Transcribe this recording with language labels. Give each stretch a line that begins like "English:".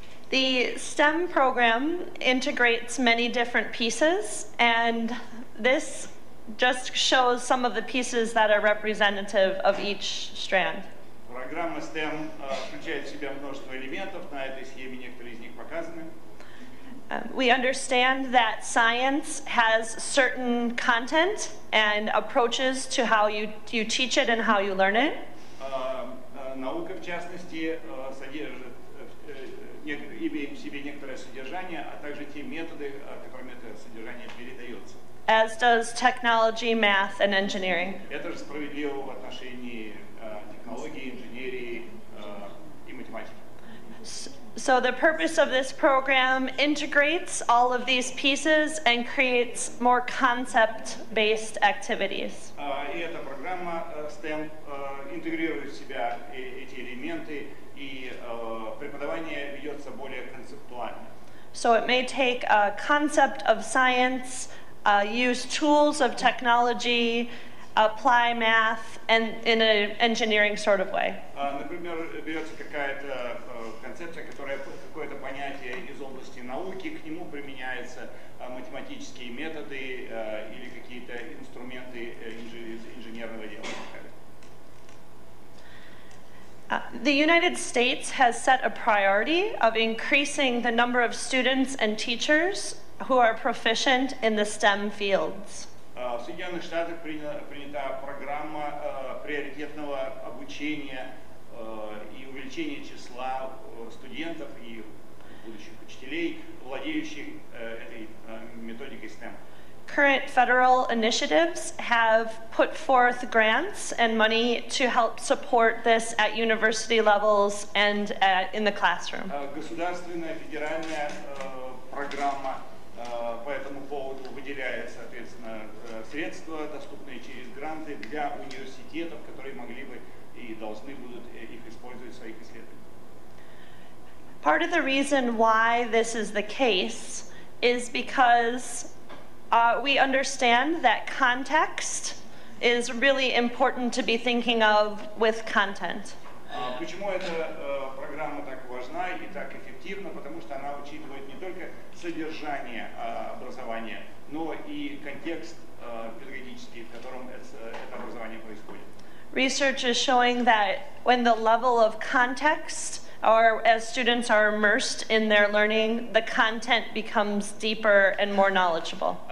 English: The STEM program integrates many different pieces, and this just shows some of the pieces that are representative of each strand.
Russian: Программа STEM включает в себя множество элементов, на этой схеме некоторые из них показаны.
English: We understand that science has certain content and approaches to how you teach it and how you learn it.
Russian: Наука, в частности, содержит, имеет в себе некоторое содержание, а также те методы, которыми это содержание передается.
English: As does technology, math, and engineering.
Russian: Это же справедливо в отношении технологии, инженерии и математики.
English: So the purpose of this program integrates all of these pieces and creates more concept-based activities.
Russian: И эта программа STEM интегрирует в себя эти элементы, и преподавание ведется более концептуально.
English: So it may take a concept of science, use tools of technology, apply math and in an engineering sort of way.
Russian: Например, берется какая-то концепция, которая какое-то понятие из области науки, к нему применяются математические методы или какие-то инструменты инженерного дела.
English: The United States has set a priority of increasing the number of students and teachers who are proficient in the STEM fields.
Russian: В Соединенных Штатах принята программа приоритетного обучения и увеличения числа студентов и будущих учителей, владеющих этой методикой STEM.
English: Current federal initiatives have put forth grants and money to help support this at university levels and in the classroom.
Russian: Государственная федеральная программа по этому поводу выделяет, соответственно, средства, доступные через гранты для университетов, которые могли бы и должны будут их использовать в своих исследованиях.
English: Part of the reason why this is the case is because we understand that context is really important to be thinking of with content.
Russian: Почему эта программа так важна и так эффективна? Потому что она учитывает не только содержание образования, но и контекст педагогический, в котором это образование происходит.
English: Research is showing that when the level of context, or as students are immersed in their learning, the content becomes deeper and more knowledgeable.